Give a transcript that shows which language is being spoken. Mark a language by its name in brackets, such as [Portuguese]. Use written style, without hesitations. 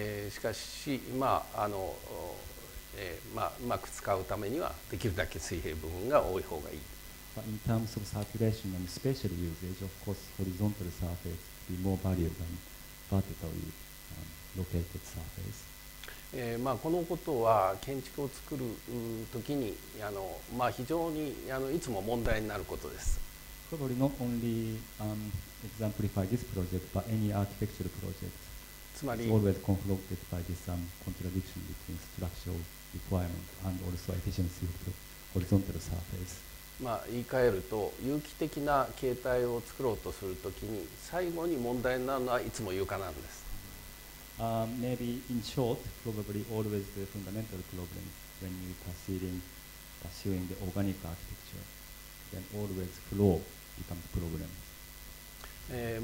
[Japanese] しかし、まあ、うまく使うためにはできるだけ水平部分が多い方がいい。 [English] But in terms of circulation and spatial usage, of course, horizontal surface will be more valuable than vertically located surface. [Japanese] まあ、このことは建築を作るときに非常にいつも問題になることです。 [English] Probably not only exemplify this project, but any architectural project. [Japanese] つまり、 [English] it's always confronted by this contradiction between structural requirement and also efficiency of the horizontal surface. [Japanese] まあ、言い換えると、有機的な形態を作ろうとするときに、最後に問題になるのはいつも床なんです。 [English] Maybe in short, probably always the fundamental problem when you're pursuing the organic architecture, then always flow becomes a problem.